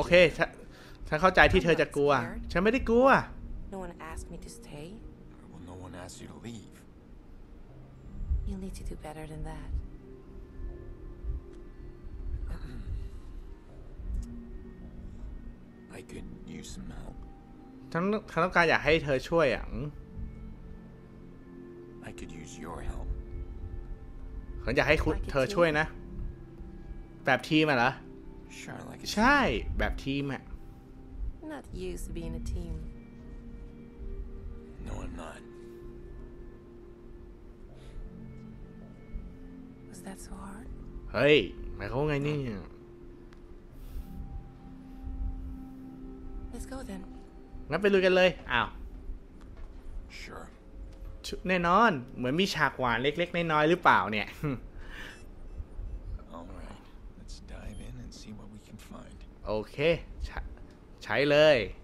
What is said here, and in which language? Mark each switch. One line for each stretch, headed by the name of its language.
Thai: Okay, ฉันเข้าใจที่เธอจะกลัวฉันไม่ได้กลัว
English: No one asked me to stay. Well, no one asked you to leave. You need to do better than that. I could use some help.
Thai: ฉันต้องการอยากให้เธอช่วยอ่ะ
English: I could use your help.
Thai: ฉันอยากให้เธอช่วยนะแบบทีมอ่ะเหรอ
English: Sure, like
Thai: ใช่แบบทีมอะ
English: Not used to being a team. No, I'm not. Was that so hard?
Thai: เฮ้ยหมายเขาไงเนี่ย
English: Let's go then.
Thai: งั้นไปลุยกันเลยอ้าว
English: Sure.
Thai: แน่นอนเหมือนมีฉากหวานเล็กๆน้อยๆหรือเปล่าเนี่ย
English: Alright. Let's dive in and see what we can find.
Thai: โอเคใช้เลย